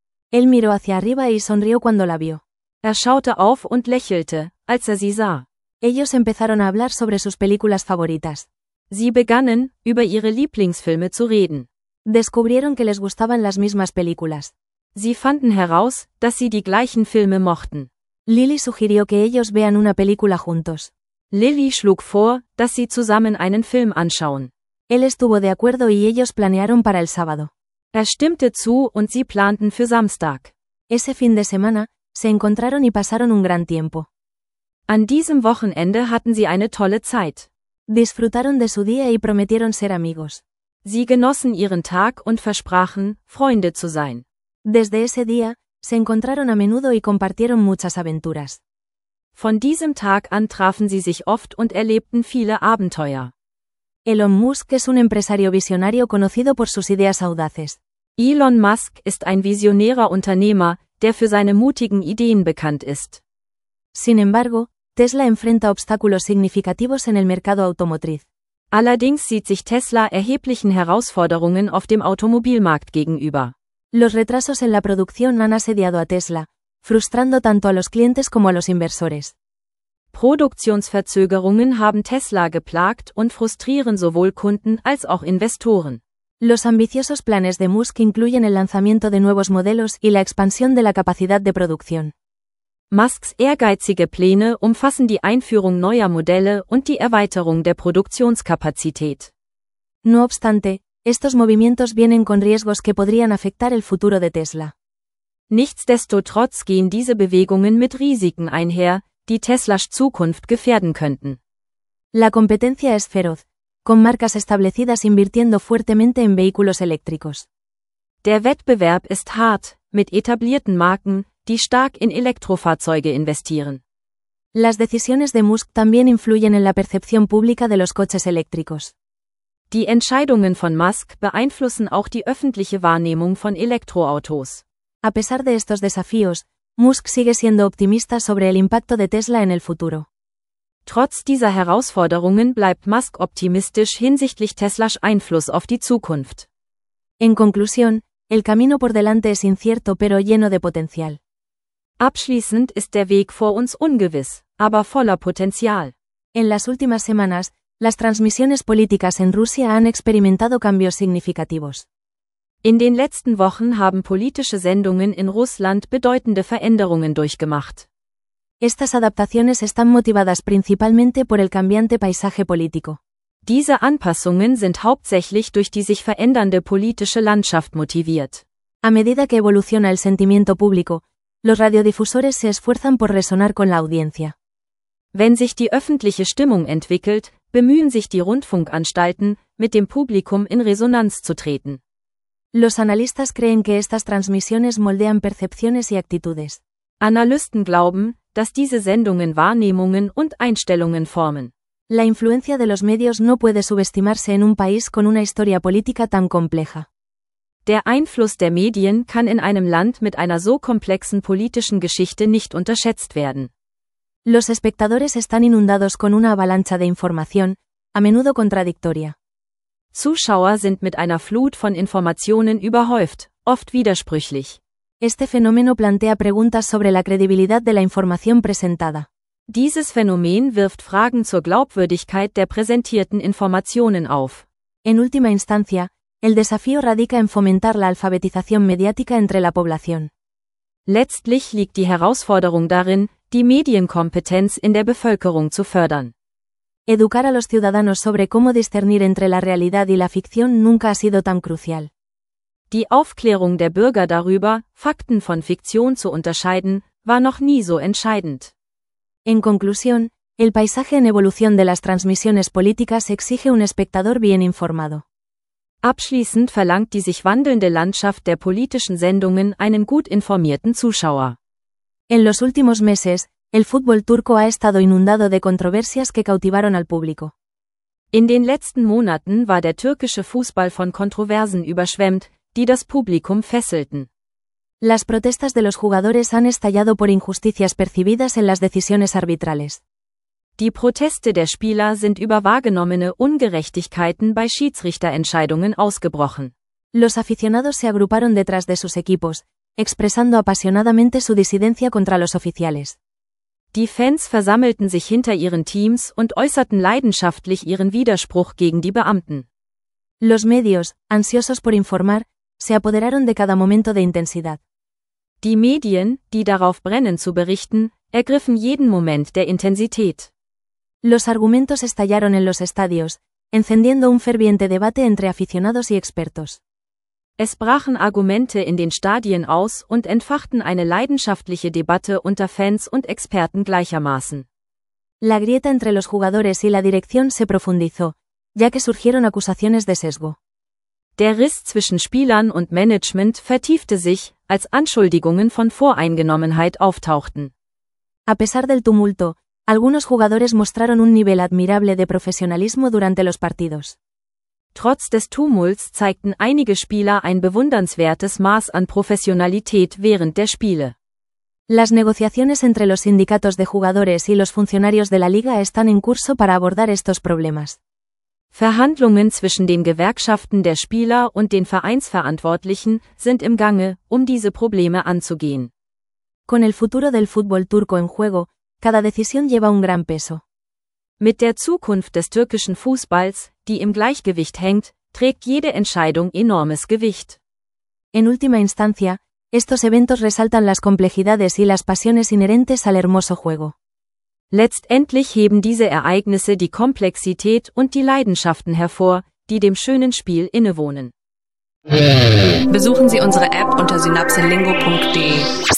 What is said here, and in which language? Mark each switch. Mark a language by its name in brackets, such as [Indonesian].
[Spanish] Él miró hacia arriba y sonrió cuando la vio. [German] Schaute auf und lächelte, als sie sah. [Spanish] Ellos empezaron a hablar sobre sus películas favoritas. [German] Sie begannen, über ihre Lieblingsfilme zu reden. [Spanish] Descubrieron que les gustaban las mismas películas. [German] Sie fanden heraus, dass sie die gleichen Filme mochten. [Spanish] Lily sugirió que ellos vean una película juntos. [German] Lily schlug vor, dass sie zusammen einen Film anschauen. [Spanish] Él estuvo de acuerdo y ellos planearon para el sábado. [German] Stimmte zu und sie planten für Samstag. [Spanish] Ese fin de semana, se encontraron y pasaron un gran tiempo. [German] An diesem Wochenende hatten sie eine tolle Zeit. [Spanish] Disfrutaron de su día y prometieron ser amigos. [German] Sie genossen ihren Tag und versprachen, Freunde zu sein. [Spanish] Desde ese día, se encontraron a menudo y compartieron muchas aventuras. [German] Von diesem Tag an trafen sie sich oft und erlebten viele Abenteuer. [Spanish] Elon Musk es un empresario visionario conocido por sus ideas audaces. [German] Elon Musk ist ein visionärer Unternehmer, der für seine mutigen Ideen bekannt ist. [Spanish] Sin embargo, Tesla enfrenta obstáculos significativos en el mercado automotriz. [German] Allerdings sieht sich Tesla erheblichen Herausforderungen auf dem Automobilmarkt gegenüber. [Spanish] Los retrasos en la producción han asediado a Tesla, frustrando tanto a los clientes como a los inversores. [German] Produktionsverzögerungen haben Tesla geplagt und frustrieren sowohl Kunden als auch Investoren. [Spanish] Los ambiciosos planes de Musk incluyen el lanzamiento de nuevos modelos y la expansión de la capacidad de producción. [German] Musks ehrgeizige Pläne umfassen die Einführung neuer Modelle und die Erweiterung der Produktionskapazität. [Spanish] No obstante, estos movimientos vienen con riesgos que podrían afectar el futuro de Tesla. [German] Nichtsdestotrotz gehen diese Bewegungen mit Risiken einher, die Teslas Zukunft gefährden könnten. [Spanish] La competencia es feroz, con marcas establecidas invirtiendo fuertemente en vehículos eléctricos. [German] Der Wettbewerb ist hart, mit etablierten Marken, die stark in Elektrofahrzeuge investieren. [Spanish] Las decisiones de Musk también influyen en la percepción pública de los coches eléctricos. [German] Die Entscheidungen von Musk beeinflussen auch die öffentliche Wahrnehmung von Elektroautos. [Spanish] A pesar de estos desafíos, Musk sigue siendo optimista sobre el impacto de Tesla en el futuro. [German] Trotz dieser Herausforderungen bleibt Musk optimistisch hinsichtlich Teslas Einfluss auf die Zukunft. [Spanish] En conclusión, el camino por delante es incierto pero lleno de potencial. [German] Abschließend ist der Weg vor uns ungewiss, aber voller Potenzial. [Spanish] En las últimas semanas, las transmisiones políticas en Rusia han experimentado cambios significativos. [German] In den letzten Wochen haben politische Sendungen in Russland bedeutende Veränderungen durchgemacht. [Spanish] Estas adaptaciones están motivadas principalmente por el cambiante paisaje político. [German] Diese Anpassungen sind hauptsächlich durch die sich verändernde politische Landschaft motiviert. [Spanish] A medida que evoluciona el sentimiento público, los radiodifusores se esfuerzan por resonar con la audiencia. [German] Wenn sich die öffentliche Stimmung entwickelt, bemühen sich die Rundfunkanstalten, mit dem Publikum in Resonanz zu treten. [Spanish] Los analistas creen que estas transmisiones moldean percepciones y actitudes. [German] Analysten glauben, dass diese Sendungen Wahrnehmungen und Einstellungen formen. [Spanish] La influencia de los medios no puede subestimarse en un país con una historia política tan compleja. [German] Der Einfluss der Medien kann in einem Land mit einer so komplexen politischen Geschichte nicht unterschätzt werden. [Spanish] Los espectadores están inundados con una avalancha de información, a menudo contradictoria. [German] Zuschauer sind mit einer Flut von Informationen überhäuft, oft widersprüchlich. [Spanish] Este fenómeno plantea preguntas sobre la credibilidad de la información presentada. [German] Dieses Phänomen wirft Fragen zur Glaubwürdigkeit der präsentierten Informationen auf. [Spanish] En última instancia, el desafío radica en fomentar la alfabetización mediática entre la población. [German] Letztlich liegt die Herausforderung darin, die Medienkompetenz in der Bevölkerung zu fördern. [Spanish] Educar a los ciudadanos sobre cómo discernir entre la realidad y la ficción nunca ha sido tan crucial. [German] Die Aufklärung der Bürger darüber, Fakten von Fiktion zu unterscheiden, war noch nie so entscheidend. [Spanish] En conclusión, el paisaje en evolución de las transmisiones políticas exige un espectador bien informado. [German] Abschließend verlangt die sich wandelnde Landschaft der politischen Sendungen einen gut informierten Zuschauer. [Spanish] En los últimos meses, el fútbol turco ha estado inundado de controversias que cautivaron al público. [German] In den letzten Monaten war der türkische Fußball von Kontroversen überschwemmt, die das Publikum fesselten. [Spanish] Las protestas de los jugadores han estallado por injusticias percibidas en las decisiones arbitrales. [German] Die Proteste der Spieler sind über wahrgenommene Ungerechtigkeiten bei Schiedsrichterentscheidungen ausgebrochen. [Spanish] Los aficionados se agruparon detrás de sus equipos, expresando apasionadamente su disidencia contra los oficiales. [German] Die Fans versammelten sich hinter ihren Teams und äußerten leidenschaftlich ihren Widerspruch gegen die Beamten. [Spanish] Los medios, ansiosos por informar, se apoderaron de cada momento de intensidad. [German] Die Medien, die darauf brennen zu berichten, ergriffen jeden Moment der Intensität. [Spanish] Los argumentos estallaron en los estadios, encendiendo un ferviente debate entre aficionados y expertos. [German] Es brachen Argumente in den Stadien aus und entfachten eine leidenschaftliche Debatte unter Fans und Experten gleichermaßen. [Spanish] La grieta entre los jugadores y la dirección se profundizó, ya que surgieron acusaciones de sesgo. [German] Der Riss zwischen Spielern und Management vertiefte sich, als Anschuldigungen von Voreingenommenheit auftauchten. [Spanish] A pesar del tumulto, algunos jugadores mostraron un nivel admirable de profesionalismo durante los partidos. [German] Trotz des Tumults zeigten einige Spieler ein bewundernswertes Maß an Professionalität während der Spiele. [Spanish] Las negociaciones entre los sindicatos de jugadores y los funcionarios de la liga están en curso para abordar estos problemas. [German] Verhandlungen zwischen den Gewerkschaften der Spieler und den Vereinsverantwortlichen sind im Gange, um diese Probleme anzugehen. [Spanish] Con el futuro del fútbol turco en juego, cada decisión lleva un gran peso. [German] Mit der Zukunft des türkischen Fußballs, die im Gleichgewicht hängt, trägt jede Entscheidung enormes Gewicht. [Spanish] En última instancia, estos eventos resaltan las complejidades y las pasiones inherentes al hermoso juego. [German] Letztendlich heben diese Ereignisse die Komplexität und die Leidenschaften hervor, die dem schönen Spiel innewohnen. Besuchen Sie unsere App unter synapselingo.de.